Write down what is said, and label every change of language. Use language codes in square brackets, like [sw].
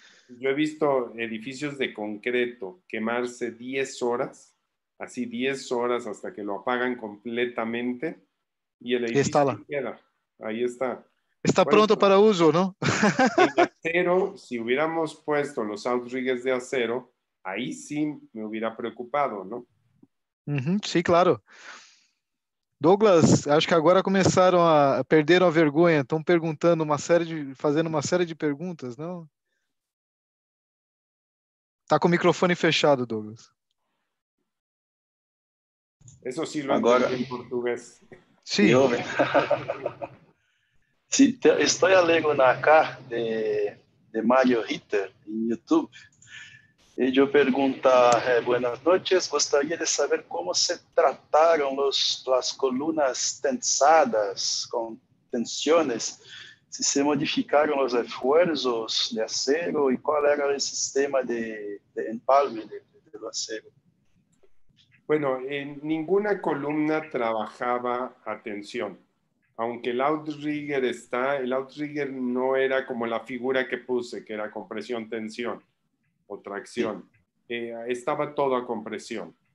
[es] Yo he visto edificios de concreto quemarse 10 horas, así 10 horas hasta que lo apagan completamente y el edificio estaba. Queda. Ahí está. Está bueno, pronto para uso, ¿no? Acero, si hubiéramos puesto los outriggers de acero, ahí sí me hubiera preocupado, ¿no? [pt] Sim, claro. Douglas, acho que agora começaram a perder a vergonha, estão perguntando uma série de, fazendo uma série de perguntas, não? Está com o microfone fechado, Douglas. Isso sim, lo agora em português. Sim. Me ouve. Sim, estou a ler na carta de Mario Ritter em YouTube. E eu pergunto, boas noites, gostaria de saber como se trataram as colunas tensadas, com tensões, se se modificaram os esforços de acero e qual era o sistema de empalme de acero. [es] Bueno, ninguna columna trabajaba a tensión, aunque el outrigger está, el outrigger no era como la figura que puse, que era compresión-tensión. O tracción, estaba todo a compresión.